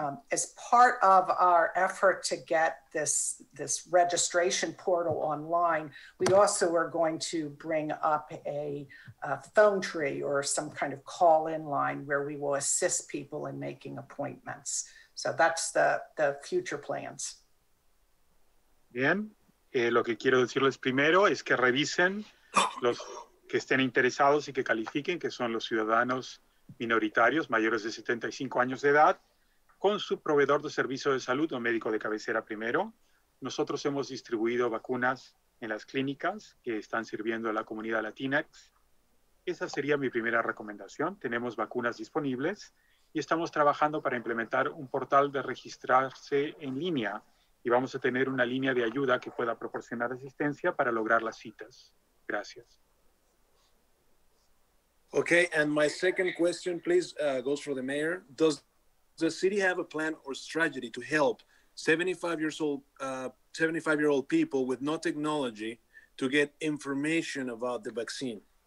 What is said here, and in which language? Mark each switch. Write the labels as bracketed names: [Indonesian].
[English] As part of our effort to get this registration portal online, we also are going to bring up a phone tree or some kind of call-in line where we will assist people in making appointments. So that's the future plans. [Spanish] Bien. Lo que quiero decirles primero es que revisen los que estén interesados y que califiquen, que son los ciudadanos minoritarios mayores de 75 años de edad, con su proveedor de servicio de salud o médico de cabecera primero. Nosotros hemos distribuido vacunas en las clínicas que están sirviendo a la comunidad Latinx. Esa sería mi primera recomendación. Tenemos vacunas disponibles y estamos trabajando para implementar un portal de registrarse en línea, y vamos a tener una línea de ayuda que pueda proporcionar asistencia para lograr las citas. Gracias. [English] Okay, and my second question, please, goes for the mayor. Does the city have a plan or strategy to help 75-year-old people with no technology to get information about the vaccine?